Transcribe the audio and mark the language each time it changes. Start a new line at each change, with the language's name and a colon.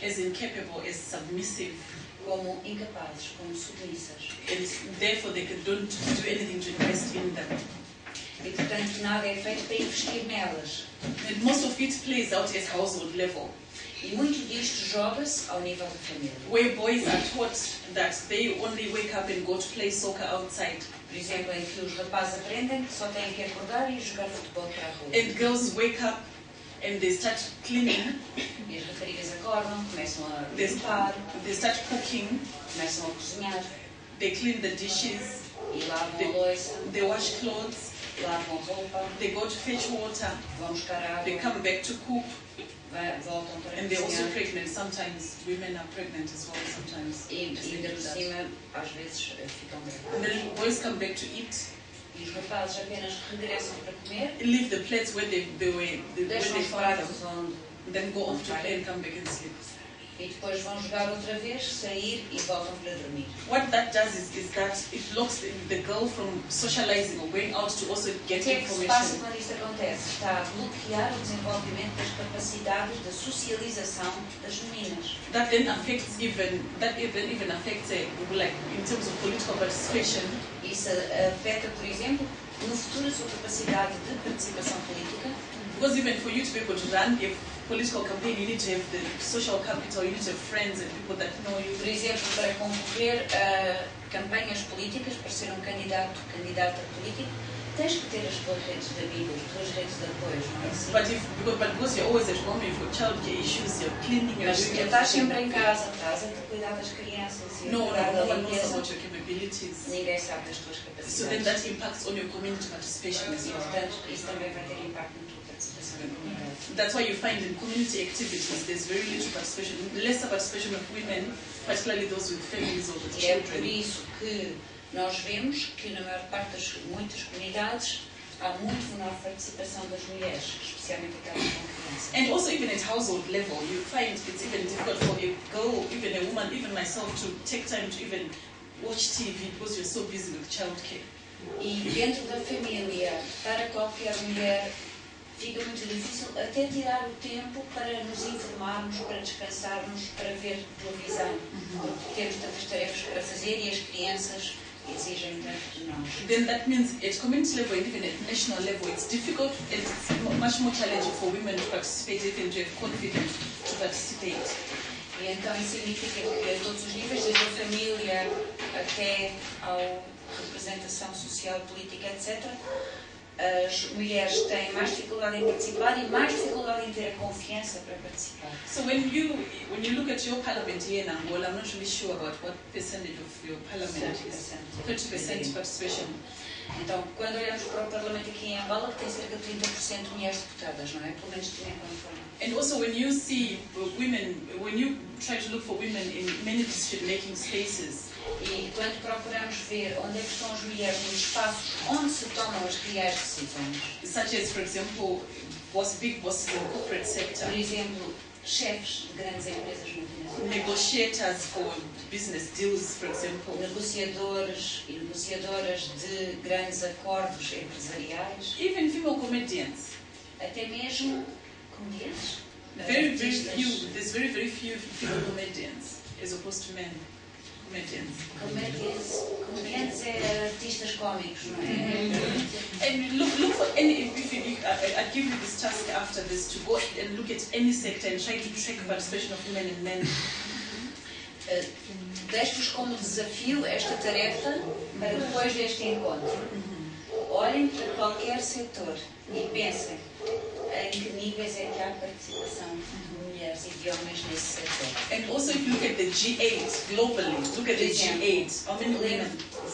English: As incapable, as submissive.
Portuguese: Como incapazes, como submissas.
English: And therefore they don't do anything to invest in them.
Portuguese: E portanto nada é feito para investir nelas.
English: And most of it plays out at household level.
Portuguese: E muito disto joga-se ao nível da família.
English: Where boys are taught that they only wake up and go to play soccer outside.
Portuguese: Por exemplo, em que os rapazes aprendem que só têm que acordar e jogar futebol para a rua.
English: And girls wake up and they start cleaning.
Portuguese: E as raparigas acordam, começam a limpar.
English: They start cooking.
Portuguese: Começam a cozinhar.
English: They clean the dishes.
Portuguese: E lavam a louça.
English: They wash clothes.
Portuguese: Lavam a roupa.
English: They go to fetch water.
Portuguese: Vão buscar água.
English: They come back to cook.
Portuguese: Voltam para
English: and they're also pregnant. Sometimes women are pregnant as well. Sometimes.
Portuguese: E de cima, às vezes, ficam grávidas.
English: And then boys come back to eat.
Portuguese: E os rapazes apenas regressam para comer.
English: Leave the plates where they were.
Portuguese: Deixam
English: where
Portuguese: os pratos onde.
English: Then go off to play and come back and sleep.
Portuguese: E depois vão jogar outra vez, sair e voltam para dormir.
English: What that does is that it locks the girl from socializing or going out to also get information.
Portuguese: O que é que se passa quando isto acontece? Está a bloquear o desenvolvimento das capacidades da socialização das meninas.
English: That then affects even like in terms of political participation.
Portuguese: Isso afeta, por exemplo, no futuro a sua capacidade de participação política.
English: Because even for you to be able to run, if political campaign, you need to have the social capital, you need to have friends and people that know you.
Portuguese: Por exemplo, para concorrer a campanhas políticas, para ser um candidato, candidata político, tens que ter as tuas redes de amigos, as tuas redes de apoio, não é assim?
English: But because you're always at home, you've got child care issues, you're cleaning, you're doing everything.
Portuguese: Estás sempre em casa, estás a te cuidar das crianças, e no, a cuidar da limpeza.
English: No one knows about your capabilities.
Portuguese: Ninguém sabe das tuas capacidades.
English: So then that impacts on your community participation as well.
Portuguese: E portanto, isso também vai ter impacto no
English: That's why you find in community activities there's very little participation, lesser participation of women, particularly those with families or with children.
Portuguese: É por isso que nós vemos que na maior parte das muitas comunidades há muito menor participação das mulheres, especialmente aquelas com crianças.
English: And also even at household level, you find it's even difficult for a girl, even a woman, even myself, to take time to even watch TV because you're so busy with childcare.
Portuguese: E dentro da família, para qualquer mulher fica muito difícil até tirar o tempo para nos informarmos, para descansarmos, para ver televisão. Porque temos tantas tarefas para fazer e as crianças exigem tanto de nós.
English: Then that means at community level and even at national level it's difficult and it's much more challenging for women to participate and to have confidence to participate.
Portuguese: E então isso significa que a todos os níveis, desde a família até à representação social, política, etc. As mulheres têm mais dificuldade em participar e mais dificuldade em ter a confiança para participar.
English: So when you look at your parliament here in Angola, I'm not really sure about what percentage of your parliament 30% participation.
Portuguese: Então, quando olhamos para o Parlamento aqui em Angola, que tem cerca de 30% de mulheres deputadas, não é? Pelo menos tem alguma forma.
English: And also, when you see women, when you try to look for women in many decision-making spaces.
Portuguese: E quando procuramos ver onde é que estão as mulheres no espaço onde se tomam as reais decisões.
English: Such as, for example, boss, big bosses in the corporate sector.
Portuguese: Por exemplo, chefes de grandes empresas multinacionais.
English: Negotiators for business deals, for example.
Portuguese: Negociadores e negociadoras de grandes acordos empresariais.
English: Even female comedians.
Portuguese: Até mesmo comediantes.
English: There's very, very few female comedians, as opposed to men.
Portuguese: Comediantes é artistas cómicos, não é?
English: And look for any, I'd give you this task after this, to go and look at any sector and try to track the participation of women and men.
Portuguese: Deixo-vos como desafio esta tarefa para depois deste encontro. Olhem para qualquer setor e pensem em que níveis é que há participação de mulheres e de homens nesse setor.
English: And also if you look at the G8 globally, look at